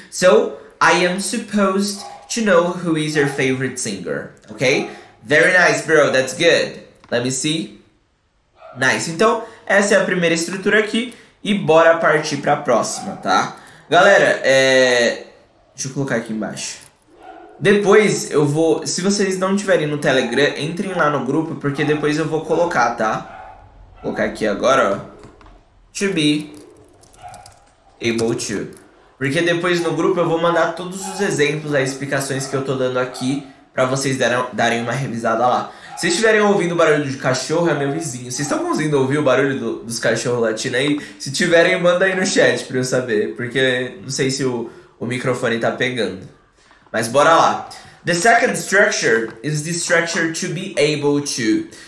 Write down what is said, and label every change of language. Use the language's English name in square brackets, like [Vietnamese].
[English] So, I am supposed to know who is your favorite singer, okay? Very nice, bro. That's good. Let me see. Nice. [Portuguese] Então, essa é a primeira estrutura aqui e bora partir para a próxima, tá? Galera, deixa eu colocar aqui embaixo. Depois eu vou, se vocês não tiverem no Telegram, entrem lá no grupo porque depois eu vou colocar, tá? Vou colocar aqui agora, ó. To be able to. Porque depois no grupo eu vou mandar todos os exemplos, as explicações que eu tô dando aqui, para vocês darem uma revisada lá. Se estiverem ouvindo o barulho de cachorro, é meu vizinho. Vocês estão conseguindo ouvir o barulho dos cachorros latindo aí? Se tiverem, manda aí no chat pra eu saber. Porque não sei se o microfone tá pegando. Mas bora lá. [English] The second structure is the structure to be able to.